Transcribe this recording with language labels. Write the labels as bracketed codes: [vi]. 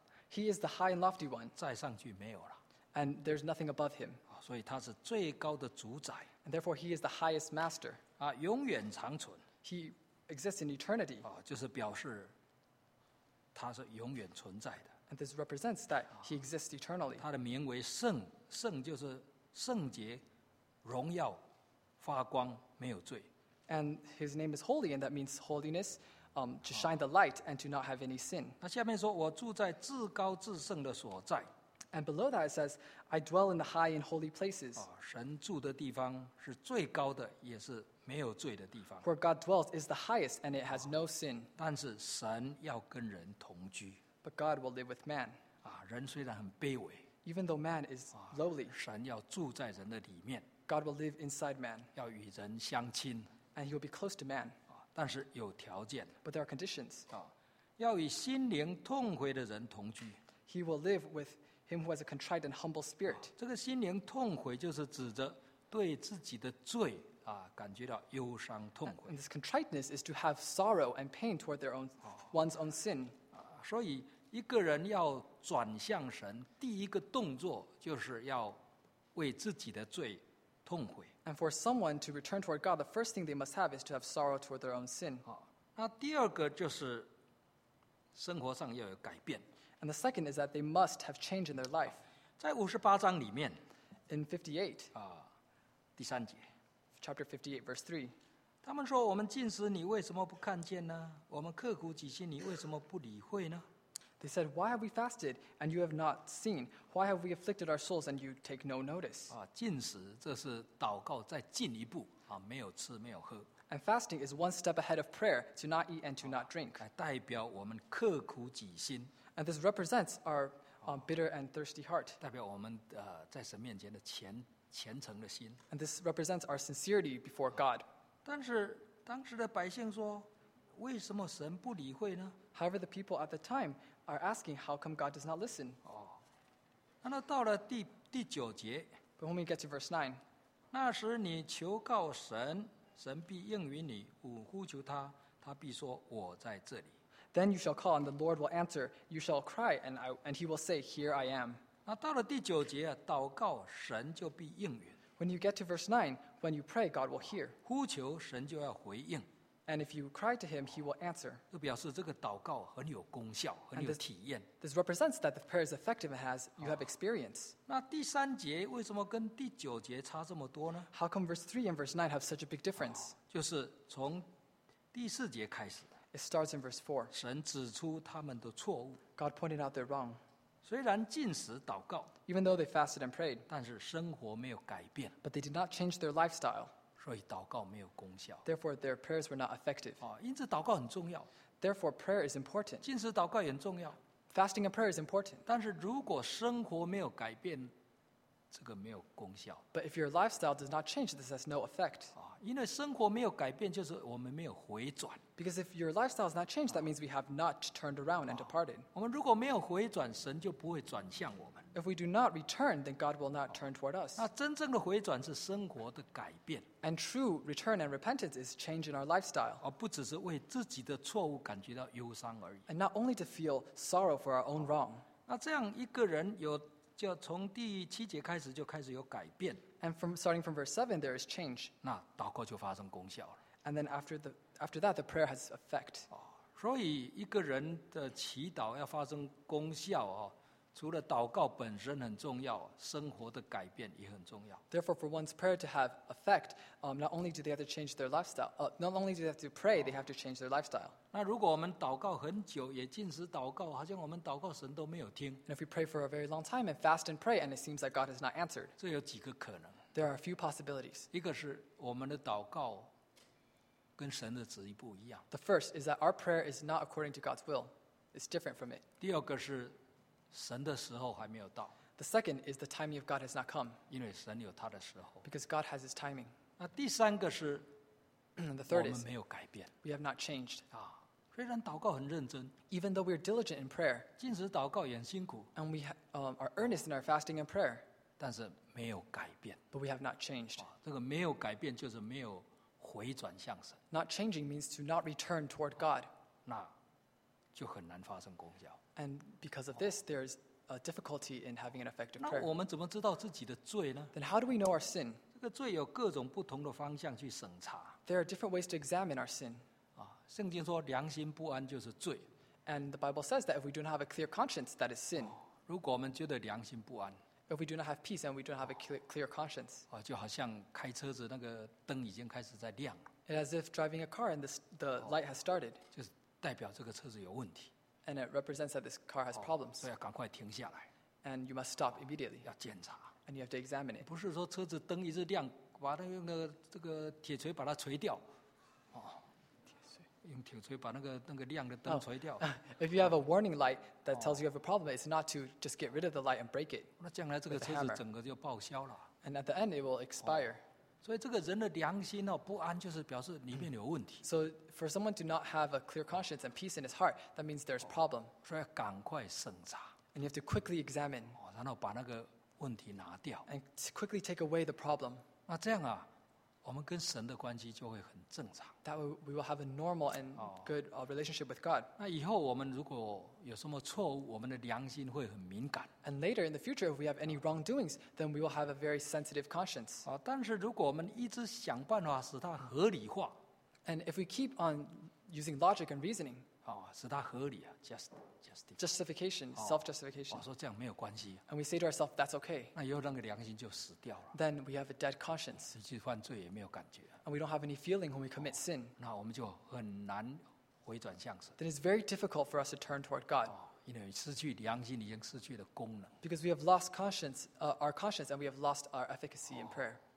[en] He is the high and lofty one. And there's nothing above him. And therefore, he is the highest master. [zh] 永远长存, [en] he exists in eternity. [zh] 就是表示他是永远存在的, [en] and this represents that he exists eternally. [zh] 他的名为圣, 圣就是圣洁, 荣耀, 发光，没有罪。 [en] And his name is holy, and that means holiness, to shine the light and to not have any sin. [zh] 那下面说，我住在至高至圣的所在。 [en] And below that it says, I dwell in the high and holy places. [zh] 神住的地方是最高的，也是没有罪的地方。 [en] Where God dwells is the highest, and it has no sin. [zh] 但是神要跟人同居。 [en] But God will live with man. [zh] 人虽然很卑微。 [en] Even though man is lowly, [zh] 神要住在人的里面。 [en] God will live inside man. [zh] 要与人相亲。 [en] And he will be close to man. [zh] 但是有条件。 [en] But there are conditions. [zh] 要与心灵痛悔的人同居。 [en] He will live with him who has a contrite and humble spirit. [zh] 这个心灵痛悔就是指着对自己的罪感觉到忧伤痛悔。 [en] And this contriteness is to have sorrow and pain toward their own, one's own sin. [zh] 所以一个人要转向神，第一个动作就是要为自己的罪痛悔。 [en] And for someone to return toward God, the first thing they must have is to have sorrow toward their own sin. [zh] 那第二个就是生活上要有改变。 [en] And the second is that they must have change in their life. [zh] 在五十八章里面 [en] ，in 58, [zh] 第三节 [en] ，chapter 58, verse 3, [zh] 他们说：“我们禁食，你为什么不看见呢？我们刻苦己心，你为什么不理会呢？” [en] They said, "Why have we fasted and you have not seen? Why have we afflicted our souls and you take no notice?" [zh] 禁食这是祷告再进一步没有吃没有喝。 [en] And fasting is one step ahead of prayer to not eat and to not drink. [zh] 代表我们刻苦己心。 [en] And this represents our bitter and thirsty heart. [zh] 代表我们在神面前的虔诚的心。 [en] And this represents our sincerity before God. [zh] 但是当时的百姓说，为什么神不理会呢？ [en] However, the people at the time are asking, how come God does not listen? [zh] 那到了第九节。 [en] But when we get to verse 9, [zh] 那时你求告神，神必应允你，吾呼求他，他必说，我在这里。 [en] Then you shall call, and the Lord will answer. You shall cry, and he will say, Here I am. [zh] 到了第九节，祷告神就必应允。 [en] When you get to verse 9, when you pray, God will hear. [zh] 呼求神就要回应。 [en] And if you cry to him, he will answer. [zh] 就表示这个祷告很有功效，很有体验。 [en] This represents that the prayer is effective and you have experience. [zh] 那第三节为什么跟第九节差这么多呢？ [en] How come verse 3 and verse 9 have such a big difference? [zh] 就是从第四节开始。 [en] It starts in verse 4. [zh] 神指出他们的错误。 [en] God pointed out their wrong. [zh] 虽然禁食祷告。 [en] Even though they fasted and prayed. [zh] 但是生活没有改变。 [en] But they did not change their lifestyle. [zh] 所以祷告没有功效。 [en] Therefore, their prayers were not effective. [zh] 因此祷告很重要。 [en] Therefore, prayer is important. [zh] 禁食祷告也很重要。 [en] Fasting and prayer is important. [zh] 但是如果生活没有改变，这个没有功效。 [en] But if your lifestyle does not change, this has no effect. [zh] 因为生活没有改变，就是我们没有回转。 [en] Because if your lifestyle has not changed, that means we have not turned around and departed. [zh] 我们如果没有回转，神就不会转向我们。 [en] If we do not return, then God will not turn toward us. [zh] 那真正的回转是生活的改变。 [en] And true return and repentance is change in our lifestyle. [zh] 不只是为自己的错误感觉到忧伤而已。 [en] And not only to feel sorrow for our own wrong. [zh] 那这样一个人有就从第七节开始就开始有改变。 [en] And from starting from verse 7, there is change. [zh] 那祷告就发生功效了。 [en] And then after that, the prayer has effect. [zh] 所以一个人的祈祷要发生功效除了祷告本身很重要，生活的改变也很重要。 [en] Therefore, for one's prayer to have effect, not only do they have to change their lifestyle, not only do they have to pray, they have to change their lifestyle. [zh] 那如果我们祷告很久，也禁食祷告，好像我们祷告神都没有听。 [en] And if we pray for a very long time and fast and pray, and it seems like God has not answered. [zh] 这有几个可能。 [en] There are a few possibilities. [zh] 一个是我们的祷告跟神的旨意不一样。 [en] The first is that our prayer is not according to God's will. It's different from it. [zh] 第二个是神的时候还没有到。 [en] The second is the timing of God has not come. [zh] 因为神有他的时候。 [en] Because God has his timing. [zh] 那第三个是 [en] the third is, [zh] 我们没有改变。 [en] We have not changed. [zh] 虽然祷告很认真。 [en] Even though we are diligent in prayer. [zh] 禁食祷告也很辛苦。 [en] And we are earnest in our fasting and prayer. [zh] 但是没有改变。 [en] But we have not changed. [zh] 这个没有改变就是没有回转向神。 [en] Not changing means to not return toward God. [zh] 那就很难发生功效。 [en] And because of this, there is a difficulty in having an effective prayer. [zh] 那我们怎么知道自己的罪呢？ [en] Then how do we know our sin? [zh] 这个罪有各种不同的方向去审查。 [en] There are different ways to examine our sin. [zh] 圣经说良心不安就是罪。 [en] And the Bible says that if we do not have a clear conscience, that is sin. [zh] 如果我们觉得良心不安， [en] If we do not have peace and we don't have a clear conscience. [zh] 就好像开车子那个灯已经开始在亮。 [en] It's as if driving a car and the light has started. [zh] 就是代表这个车子有问题。 [en] And it represents that this car has problems. [zh] 所以要赶快停下来。 [en] And you must stop immediately. [zh] 要检查。 [en] And you have to examine it. [zh] 不是说车子灯一直亮，把那个这个铁锤把它锤掉。用铁锤把那个亮的灯锤掉。 [en] If you have a warning light that tells you have a problem, it's not to just get rid of the light and break it. [zh] 那将来这个车子整个就报销了。 [en] And at the end, it will expire. [zh] 所以这个人的良心不安，就是表示里面有问题。 [en] So for someone to not have a clear conscience and peace in his heart, that means there's problem. [zh] 所以要赶快审查。 [en] And you have to quickly examine. [zh] 然后把那个问题拿掉。 [en] And quickly take away the problem. [zh] 那这样啊。我们跟神的关系就会很正常。 [en] That we will have a normal and good relationship with God. [zh] 那以后我们如果有什么错误，我们的良心会很敏感。 [en] And later in the future, if we have any wrongdoings, then we will have a very sensitive conscience. [zh] 但是如果我们一直想办法使它合理化 [en] ，And if we keep on using logic and reasoning, [zh] 使它合理啊 ，justification, [en] justification, self-justification. [zh] 说这样没有关系。 [en] And we say to ourselves, that's okay. [zh] 那以后那个良心就死掉了。 [en] Then we have a dead conscience. [zh] 实际犯罪也没有感觉。 [en] And we don't have any feeling when we commit sin. [zh] 那我们就很难回转向神。 [en] Then it's very difficult for us to turn toward God. [zh] 因为失去良心已经失去了功能。 [en] Because we have lost conscience, our conscience, and we have lost our efficacy in prayer.